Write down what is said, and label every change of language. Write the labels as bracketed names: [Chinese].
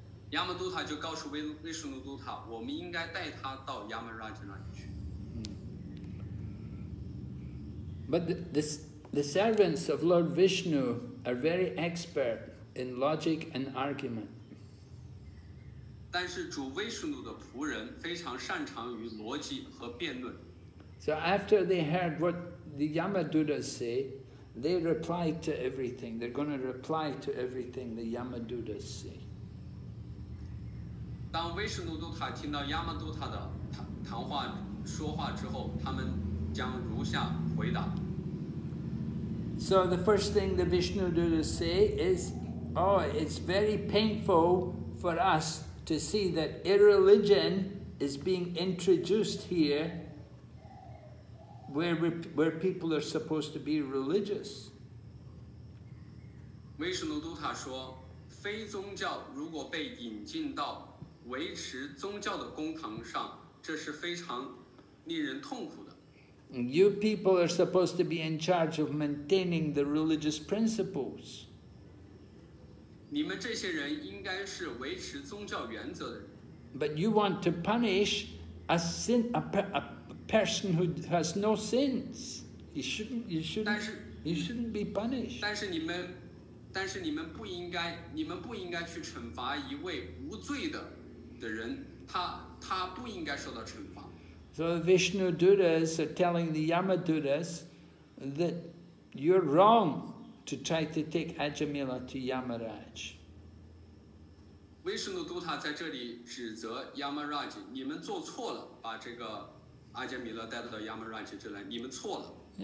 [Chinese] Yamadutta 就告诉Vishnu Dutta，我们应该带他到 Yamaraj 那里去。 [English] But the servants of Lord Vishnu are very expert in logic and argument. [Chinese] 但是主威士努的仆人非常擅长于逻辑和辩论。 [English] So after they heard what the Yamadutas say,They reply to everything. They're going to reply to everything the Yamadutas say. [Chinese] 当威士努都塔听到 Yamadutta 的谈话说话之后，他们将如下回答。 [English] So the first thing the Vishnu Dutas say is, "Oh, it's very painful for us to see that irreligion is being introduced here." Where people are supposed to be religious. [Chinese] Vishnu Dutta 说，非宗教如果被引进到维持宗教的公堂上，这是非常令人痛苦的。 [English] You people are supposed to be in charge of maintaining the religious principles. [Chinese] 你们这些人应该是维持宗教原则的人。 [English] But you want to punish a sin, a, a, a person who has no sins. You shouldn't be punished. [Chinese] 但是你们不应该去惩罚一位无罪的人，他不应该受到惩罚。 [English] So the Vishnu Duttas are telling the Yama Duttas that you're wrong to try to take Ajamila to Yamaraj. [Chinese] Vishnu Dutta 在这里指责 Yamaraj， 你们做错了，把这个阿杰米勒带到 Yamaraj 这来，你们错了。